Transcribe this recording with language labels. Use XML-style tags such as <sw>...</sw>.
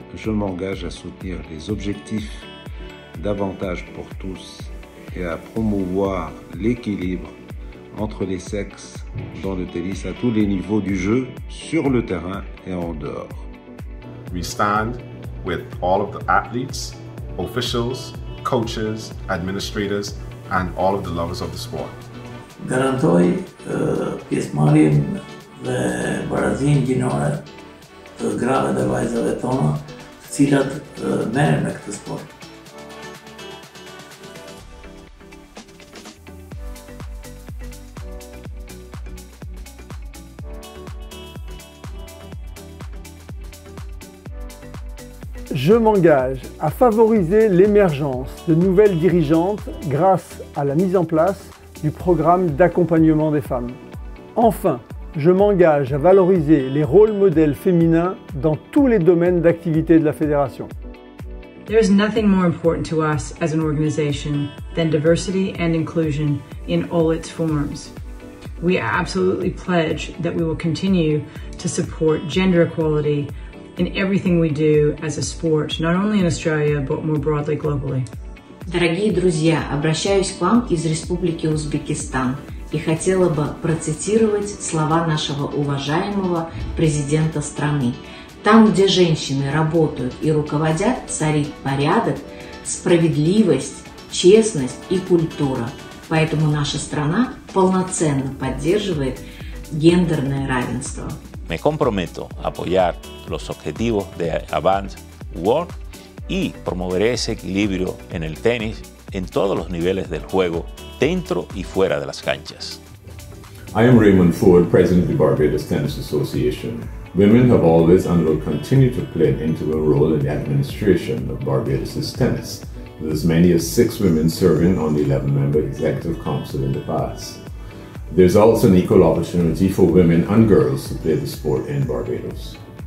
<fr>je m'engage à soutenir les objectifs d'avantage pour tous et à promouvoir l'équilibre entre les sexes dans le tennis à tous les niveaux du jeu, sur le terrain et en dehors.</fr> <en>We stand with all of the athletes, officials, coaches, administrators, and all of the lovers of the sport.</en> <sq>Garantoj pjesmarrjen dhe barazim gjinore të grave dhe vajzave tona, të cilat merren me këtë sport.</sq> <fr>Je m'engage à favoriser l'émergence de nouvelles dirigeantes grâce à la mise en place du programme d'accompagnement des femmes. Enfin, je m'engage à valoriser les rôles modèles féminins dans tous les domaines d'activité de la fédération.</fr> <en>There is nothing more important to us as an organization than diversity and inclusion in all its forms. We absolutely pledge that we will continue to support gender equality in everything we do as a sport, not only in Australia, but more broadly globally.</en> <ru>Дорогие друзья, обращаюсь к вам из Республики Узбекистан и хотела бы процитировать слова нашего уважаемого президента страны. Там, где женщины работают и руководят, царит порядок, справедливость, честность и культура. Поэтому наша страна полноценно поддерживает гендерное равенство.</ru> <es>Me comprometo a apoyar los objetivos de Avant World y promoveré ese equilibrio en el tenis en todos los niveles del juego, dentro y fuera de las canchas.</es> <en>I am Raymond Ford, President of the Barbados Tennis Association. Women have always and will continue to play an integral role in the administration of Barbados's tennis, with as many as 6 women serving on the 11-member Executive Council in the past. There's also an equal opportunity for women and girls to play the sport in Barbados.</en>